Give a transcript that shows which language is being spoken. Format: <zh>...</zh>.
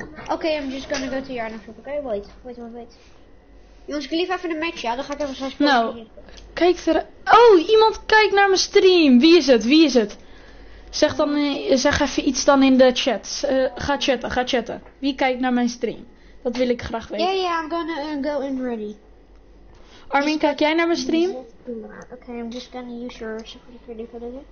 <en>Okay, I'm just gonna go to Yarn shop, okay? Wait.</en> <nl>Jongens, ik lief even een match, ja? Dan ga ik even zijn. Nou, kijk er. Oh, iemand kijkt naar mijn stream! Wie is het? Zeg even iets dan in de chat. Ga chatten. Wie kijkt naar mijn stream? Dat wil ik graag weten.</nl> <en>Yeah, I'm gonna go in ready.</en> <nl>Armin, kijk jij naar mijn stream?</nl> <en>Okay, I'm just gonna use your security for this.</en>